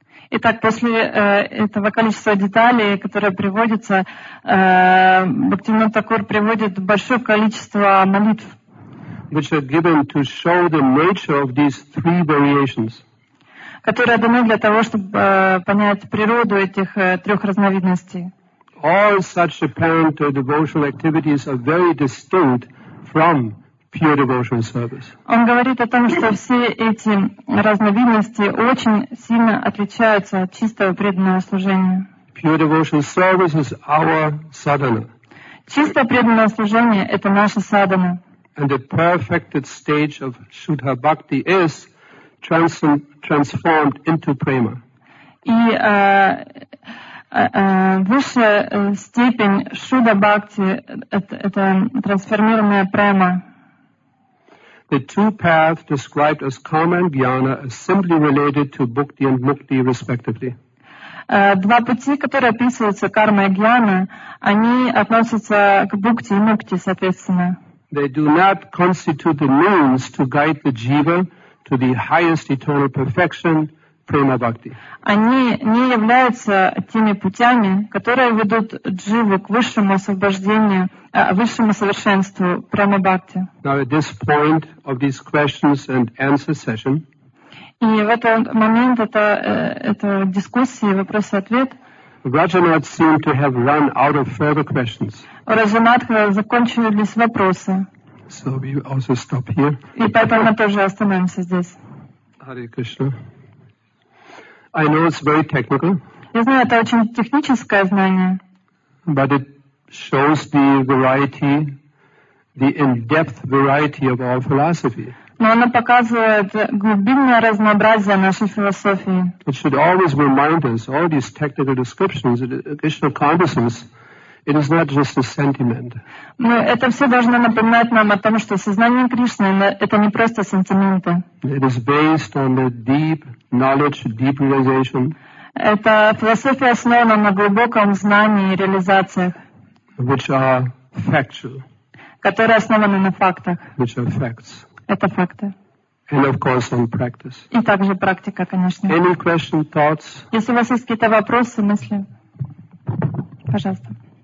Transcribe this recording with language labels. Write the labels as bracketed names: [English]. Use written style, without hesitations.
[Russian] Итак, после этого количества деталей, которые приводятся, Бхактивинода Такур приводит большое количество молитв, [English] which are given to show the nature of these three variations. [Russian] Которые даны для того, чтобы понять природу этих трех разновидностей. [English] All such apparent devotional activities are very distinct from pure devotional service. [Russian] Он говорит о том, что все эти разновидности очень сильно отличаются от чистого преданного служения. [English] Pure devotional service is our sadhana. [Russian] Чистое преданное служение — это наша садхана. [English] And the perfected stage of Shuddha Bhakti is transformed into prema. [Russian] И высшая степень Shuddha Bhakti — это трансформированная према. [English] The two paths described as karma and jnana are simply related to bhakti and mukti respectively. [Russian] Два пути, которые описываются, карма и jnana, они относятся к бхакти и мукти, соответственно. [English] They do not constitute the means to guide the jiva to the highest eternal perfection, prema bhakti. [Russian] Они не являются теми путями, которые ведут дживу к высшему освобождению, высшему совершенству, prema bhakti. [English] Now at this point of these questions and answer session. [Russian] И в этот момент это дискуссии, вопрос-ответ. [English] Rajanath seemed to have run out of further questions. [Russian] Rajanatha закончились вопросы. [English] So we also stop here. [Russian] И поэтому мы тоже остановимся здесь. [English] Hare Krishna. I know it's very technical. [Russian] Я знаю, это очень техническое знание. [English] But it shows the variety, the in-depth variety of our philosophy. [Russian] Но оно показывает глубинное разнообразие нашей философии. [English] It should always remind us all these technical descriptions, additional consciousness. It is not just a sentiment. [Russian] Но это все должно напоминать нам о том, что сознание Кришны — это не просто сентименты. [English] It is based on the deep knowledge, deep realization. [Russian] Это философия основана на глубоком знании и реализациях. [English] Which are factual. [Russian] Которые основаны на фактах. [English] Which are facts. [Russian] Это факты. [English] And of course on practice. [Russian] И также практика, конечно. [English] Any question, thoughts? [Russian] Если у вас есть какие-то вопросы, мысли, пожалуйста.